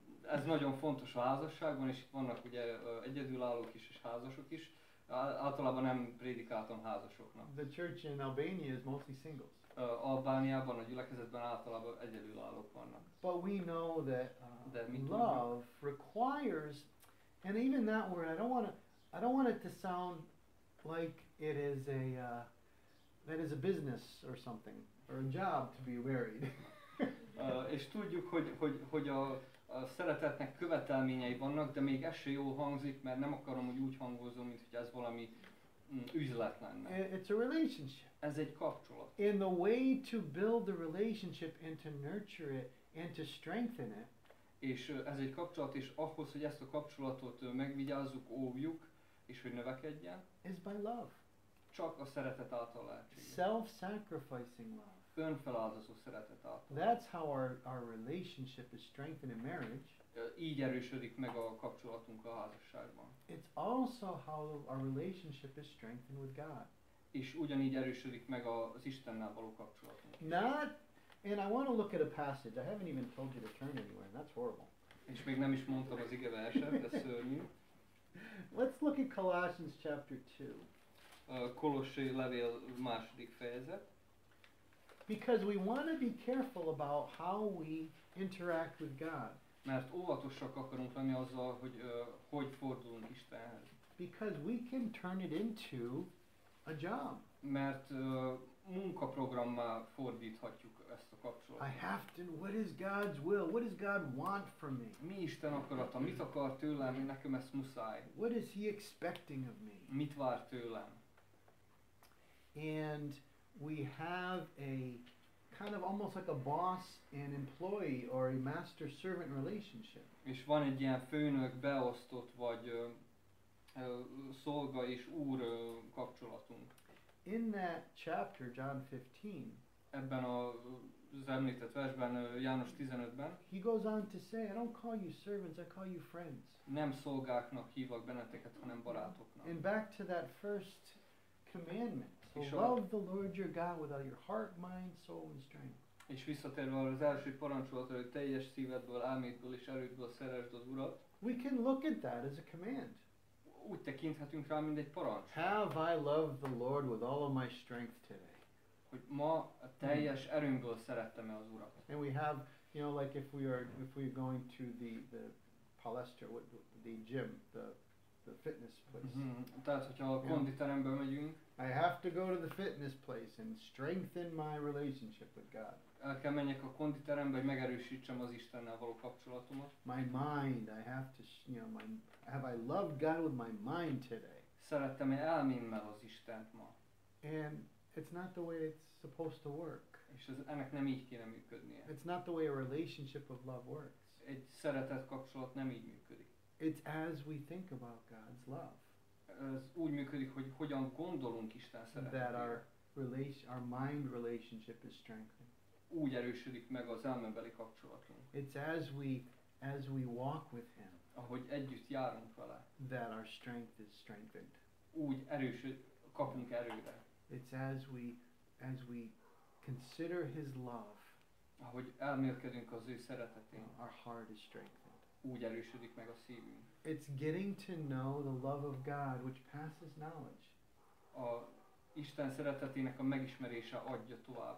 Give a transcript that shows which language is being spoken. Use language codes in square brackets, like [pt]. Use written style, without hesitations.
[hu] Ez nagyon fontos a házasságban, és vannak ugye egyedülállók is, és házasok is. Általában nem prédikáltam házasoknak. [en] The church in Albania is mostly singles. [hu] Albániában, a gyülekezetben általában egyedülállók vannak. [en] But we know that [hu] de mi [en] love [hu] tudjuk? [en] Requires, and even that word, I don't want it to sound like it is a that is a business or something or a job to be married. [hu] És tudjuk, hogy a szeretetnek követelményei vannak, de még ez se jól hangzik, mert nem akarom, hogy úgy hangozzon, mint hogy ez valami üzlet lenne. [en] It's a relationship. [hu] Ez egy kapcsolat. [en] And the way to build the relationship and to nurture it and to strengthen it. [hu] És ez egy kapcsolat, és ahhoz, hogy ezt a kapcsolatot megvigyázzuk, óvjuk, és hogy növekedjen. [en] Is by love. [hu] Csak a szeretet által lehet. [en] Self-sacrificing love. [hu] Önfeláldozó szeretet által. [en] That's how our relationship is strengthened in marriage. [hu] Így erősödik meg a kapcsolatunk a házasságban. [en] It's also how our relationship is strengthened with God. [hu] És ugyanígy erősödik meg az Istennel való kapcsolatunk. [en] Not, and I want to look at a passage. I haven't even told you to turn anywhere, and that's horrible. [hu] És még nem is mondtam az ige verset, de szörnyű. [en] Let's look at Colossians chapter 2. [hu] Kolossi levél második fejezet. [en] Because we want to be careful about how we interact with God. [hu] Mert óvatosak akarunk lenni azzal, hogy hogy fordulunk Istenhez. [en] Because we can turn it into a job. [hu] Mert munkaprogrammá fordíthatjuk ezt a kapcsolatot. [en] I have to, what is God's will? What does God want from me? [hu] Mi Isten akarata? Mit akar tőlem? Nekem ezt muszáj. [en] What is he expecting of me? [hu] Mit vár tőlem? [en] And we have a kind of almost like a boss and employee or a master servant relationship. [hu] És van egy ilyen főnök beosztott vagy szolga és úr kapcsolatunk. [en] In that chapter, John 15, [hu] ebben az említett versben, János 15-ben, [en] he goes on to say, I don't call you servants, I call you friends. [hu] Nem szolgáknak hívok benneteket, hanem barátoknak. [en] And back to that first commandment. Love the Lord your God with all your heart, mind, soul, and strength. [hu] És visszatérve az első parancsolatra, hogy teljes szívedből, elmédből és erődből szeresd az Urat. [en] We can look at that as a command. [hu] Úgy tekinthetünk rá, mint egy parancs. [en] Have I loved the Lord with all of my strength today? [hu] Hogy ma a teljes erőmből szerettem-e az Urat? [en] And we have, you know, like if we are going to the palestra, the gym, the fitness place. Mm-hmm. [hu] Tehát, hogyha a konditerembe megyünk. [en] I have to go to the fitness place and strengthen my relationship with God. [hu] El kell menjek a konditerembe, hogy megerősítsem az Istennel való kapcsolatomat. [en] My mind, I have to, you know, have I loved God with my mind today? [hu] Szerettem-e elmémmel az Istent ma? [en] And it's not the way it's supposed to work. [hu] És ez, ennek nem így kéne működnie. [en] It's not the way a relationship of love works. [hu] Egy szeretett kapcsolat nem így működik. [en] It's as we think about God's love. [hu] Ez úgy működik, hogy hogyan gondolunk Isten szeretetére. [en] That our mind relationship is strengthened. [hu] Úgy erősödik meg az elmebeli kapcsolatunk. [en] It's as we walk with him. [hu] Ahogy együtt járunk vele. [en] That our strength is strengthened. [hu] Úgy erősöd, kapunk erőre. [en] It's as we consider his love. [hu] Ahogy elmélkedünk az ő szeretetén. [en] Our heart is strengthened. [hu] Úgy erősödik meg a szívünk. [en] It's getting to know the love of God, which passes knowledge. [hu] A Isten szeretetének a megismerése adja tovább a